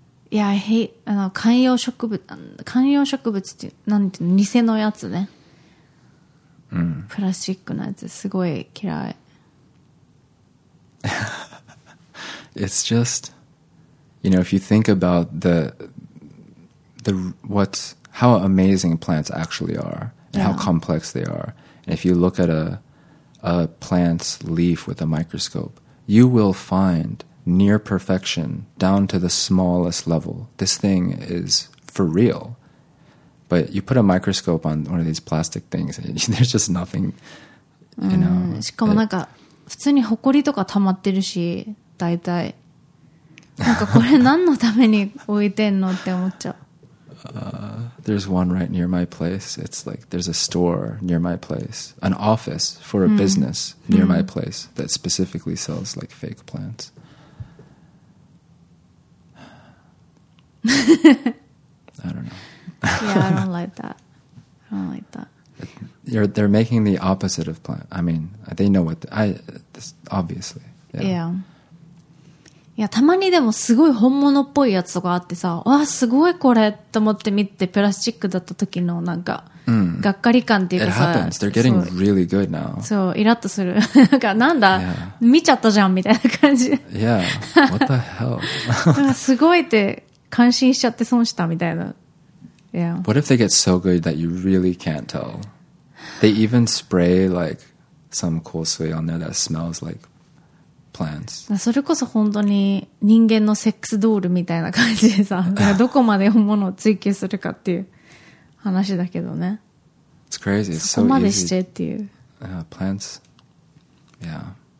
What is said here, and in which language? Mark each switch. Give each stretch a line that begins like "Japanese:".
Japanese: いや、へ、あの観葉植物、観葉植物って何て言うの、偽のやつね。プラスチックのやつすごい嫌い。
English: It's just, you know, if you think about the what, how amazing plants actually are and how complex they are, and if you look at a plant's leaf with a microscope, you will find. Near perfection, down to the smallest level. This thing is for real. But you put a microscope on one of these plastic things, and there's just nothing, you know.
Japanese: しかもなんか普通にホコリとか溜まってるし、大体。なんかこれ何のために置いてんのって思っちゃう。
English: There's one right near my place. It's like there's a store near my place, an office for a business near my place that specifically sells like fake plants. I don't know. Yeah, I don't like that. I don't like that. They're making the opposite of plan. I mean, they know what the, I this, obviously. Yeah. Yeah.
Japanese: いやたまにでもすごい本物っぽいやつとかあってさ、わあすごいこれと思って見てプラスチックだった時のなんか、 mm. がっかり感っていうかさ、
English: It happens. They're getting really good now.
Japanese: そうイラッとするなんかなんだ、
English: yeah.
Japanese: 見ちゃったじゃんみたいな感じ。
English: Yeah, what the hell?
Japanese: すごいって感心しちゃって損したみたいな。
English: Yeah. What if they get so good that you really can't tell? They even spray like some
Japanese: 香水
English: on there that smells like. Plants.
Japanese: それこそ本当に人間のセックスドールみたいな感じでさ、どこまで本物を追求するかっていう話だけどね。
English: It's crazy. It's so easy.
Japanese: そこまでしてっていう。
English: Plants. Yeah.